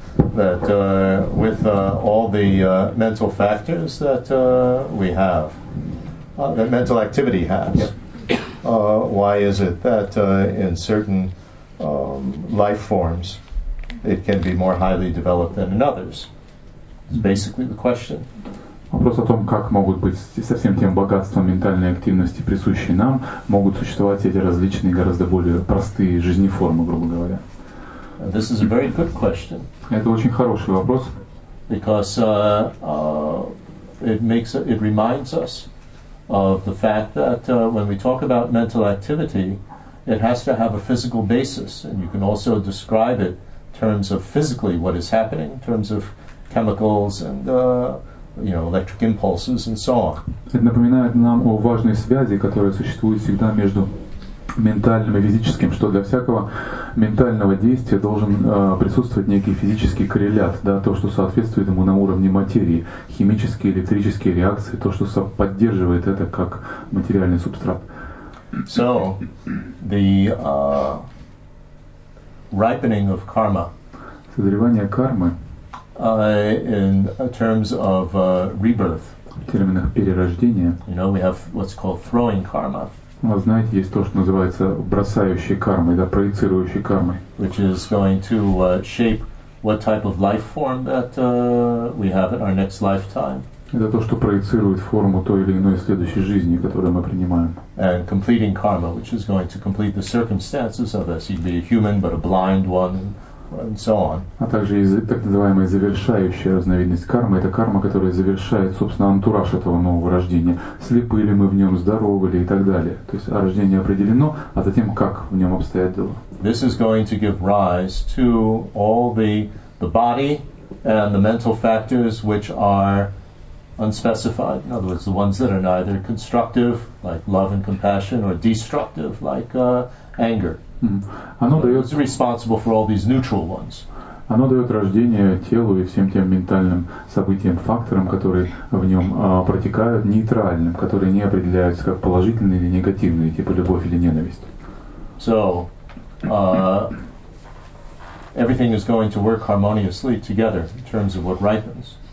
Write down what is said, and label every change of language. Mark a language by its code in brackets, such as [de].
[en] That with all the mental factors that we have, that mental activity has, why is it that in certain life forms it can be more highly developed than in others? It's basically the question. [ru] Вопрос о том, как могут быть со всем тем богатством ментальной активности, присущей нам, могут существовать эти различные, гораздо более простые жизни формы, грубо говоря. [en] This is a very good question. [ru] Это очень хороший вопрос. [en] Because it reminds us of the fact that when we talk about mental activity, it has to have a physical basis, and you can also describe it in terms of physically what is happening, in terms of chemicals and you know, electric impulses and so on. [ru] Это напоминает нам о важной связи, которая существует всегда между ментальным и физическим, что для всякого ментального действия должен присутствовать некий физический коррелят, да, то, что соответствует ему на уровне материи, химические, электрические реакции, то, что поддерживает это как материальный субстрат. [en] So, the ripening of karma. [ru] Созревание кармы. [en] In terms of rebirth. [ru] В терминах перерождения. [en] You know, we have what's called throwing karma. [ru] Вы знаете, есть то, что называется бросающей кармой, да, проецирующей кармой. [en] Which is going to shape what type of life form that we have in our next lifetime. [ru] Это то, что проецирует форму той или иной следующей жизни, которую мы принимаем. [en] And completing karma, which is going to complete the circumstances of us. You'd be a human, but a blind one, and so on. [ru] А также есть так называемая завершающая разновидность кармы. Это карма, которая завершает, собственно, антураж этого нового рождения. Слепы ли мы в нем, здоровы ли и так далее. То есть рождение определено, а затем как в нем обстоят дела. [en] This is going to give rise to all the body and the mental factors which are unspecified, in other words, the ones that are neither constructive, like love and compassion, or destructive, like anger. It's responsible for all these neutral ones. [ru] Оно дает рождение телу и всем тем ментальным событиям, факторам, которые в нем протекают, нейтральным, которые не определяются как положительные или негативные, типа любовь или ненависть. [en] So, everything is going to work harmoniously together in terms of what ripens.